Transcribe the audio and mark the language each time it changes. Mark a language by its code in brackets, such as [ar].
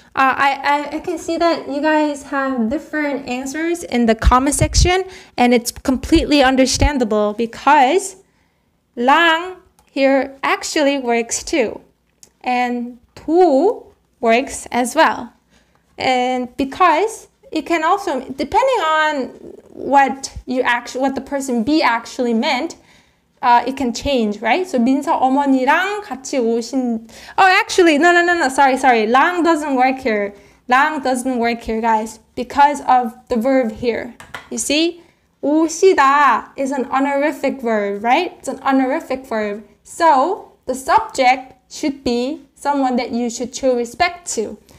[en] I can see that you guys have different answers in the comment section, and it's completely understandable because 랑 here actually works too, and 도 works as well. And because it can also, depending on what the person B actually meant, it can change, right? [ko] So 민서 어머니랑 같이 오신. [en] Oh, actually, no. Sorry. 랑 doesn't work here. 랑 doesn't work here, guys, because of the verb here. You see, 오시다 is an honorific verb, right? It's an honorific verb. So the subject should be someone that you should show respect to.